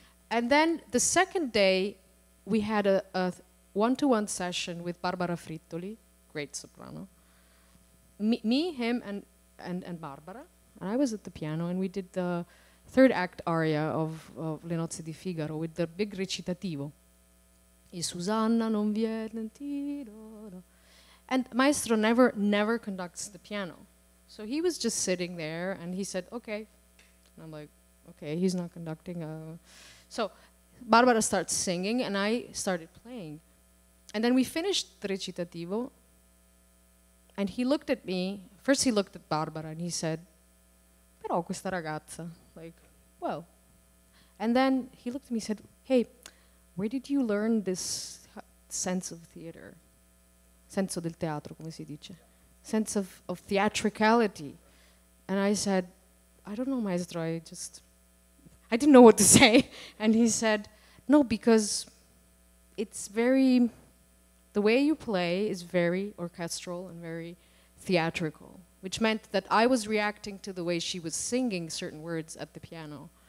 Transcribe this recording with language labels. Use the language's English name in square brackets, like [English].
[English] And then the second day, we had a one-to-one session with Barbara Frittoli, great soprano, me, him, and Barbara, and I was at the piano, and we did the third act aria of Le Nozze di Figaro with the big recitativo. [Italian] E Susanna non viene ti do do. [English] And Maestro never conducts the piano. So he was just sitting there, and he said, okay. And I'm like, okay, he's not conducting. So Barbara starts singing, and I started playing. And then we finished the recitativo, and he looked at me. First he looked at Barbara, and he said, [Italian] però questa ragazza, [English] like, well. And then he looked at me and said, hey, where did you learn this sense of theater? [Italian] Senso del teatro, come si dice? [English] Sense of theatricality. And I said, I don't know, Maestro, I didn't know what to say. And he said, no, because it's very, the way you play is very orchestral and very theatrical, which meant that I was reacting to the way she was singing certain words at the piano.